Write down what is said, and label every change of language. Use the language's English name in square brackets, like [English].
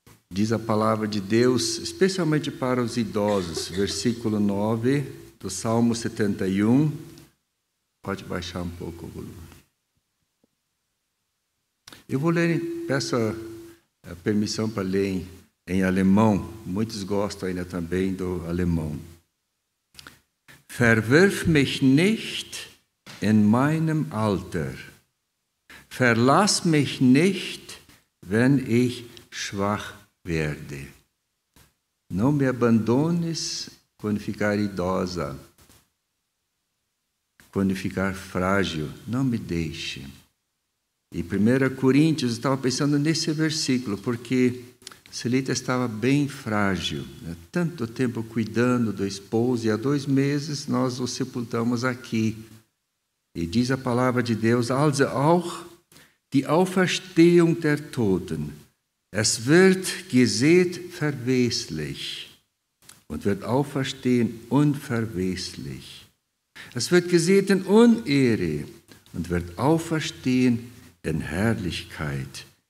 [Portuguese] Diz a palavra de Deus, especialmente para os idosos, versículo 9 do Salmo 71. Pode baixar um pouco o volume. Eu vou ler, peço a permissão para ler em alemão. Muitos gostam ainda também do alemão. [German] Verwirf mich nicht in meinem Alter. Verlass mich nicht, wenn ich schwach werde. [Portuguese] Não me abandones quando ficar idosa, quando ficar frágil. Não me deixe. E 1 Coríntios, eu estava pensando nesse versículo, porque Celita estava bem frágil, né? Tanto tempo cuidando do esposo, e há 2 meses nós o sepultamos aqui. E diz a palavra de Deus, [German] also auch die Auferstehung der Toten, es wird gesät verweslich und wird auferstehen unverweslich. Es wird gesät in Unehre und wird auferstehen in Herrlichkeit.